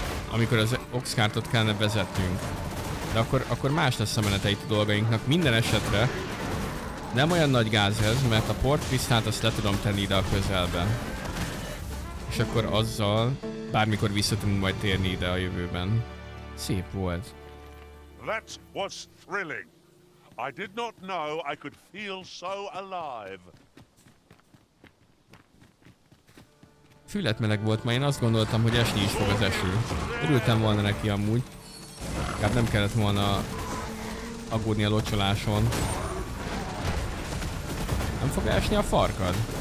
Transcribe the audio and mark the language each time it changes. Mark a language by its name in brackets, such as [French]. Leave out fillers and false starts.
[Hungarian] Amikor az Oxcartot kellene vezetnünk. De akkor más lesz a menete itt a dolgainknak. Minden esetre nem olyan nagy gáz ez, mert a portpisztát azt le tudom tenni ide a közelbe. És akkor azzal bármikor vissza tudunk majd térni ide a jövőben. Szép volt. [English] That was thrilling. I did not know I could feel so alive. [Hungarian] Fület meleg volt ma, én azt gondoltam, hogy esni is fog az eső. Örültem volna neki amúgy. Hát nem kellett volna aggódni a locsoláson. Nem fog esni a farkad?